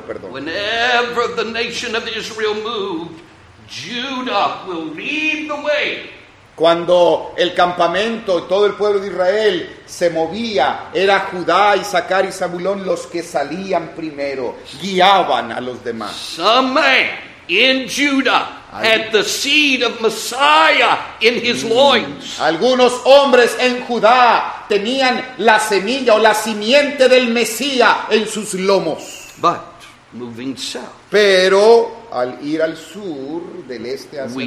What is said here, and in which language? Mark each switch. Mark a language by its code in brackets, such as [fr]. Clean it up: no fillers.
[en] Whenever the nation of Israel moved, Judah will lead the way. [es] Cuando el campamento y todo el pueblo de Israel se movía, era Judá, Issachar y Zabulón los que salían primero, guiaban a los demás. [en] Some man in Judah had the seed of Messiah in his loins. [es] Algunos hombres en Judá tenían la semilla o la simiente del Mesías en sus lomos. [en] But moving south. [es] Pero al ir al sur, del este hacia